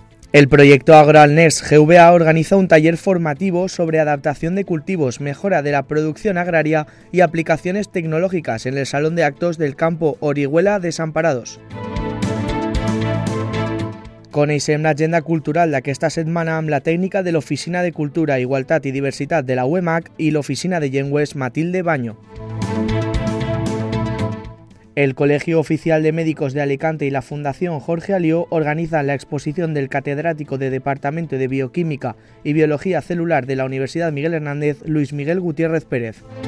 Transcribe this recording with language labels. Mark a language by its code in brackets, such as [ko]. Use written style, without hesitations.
[es] El proyecto AgroAlnés GVA organiza un taller formativo sobre adaptación de cultivos, mejora de la producción agraria y aplicaciones tecnológicas en el Salón de Actos del Campo Orihuela Desamparados. [ca] Coneixem l'agenda cultural d'aquesta setmana amb la tècnica de l'Oficina de Cultura, Igualtat i Diversitat de la UEMAC i l'Oficina de Llengües Matilde Baño. [es] El Colegio Oficial de Médicos de Alicante y la Fundación Jorge Alió organizan la exposición del catedrático de Departamento de Bioquímica y Biología Celular de la Universidad Miguel Hernández, Luis Miguel Gutiérrez Pérez.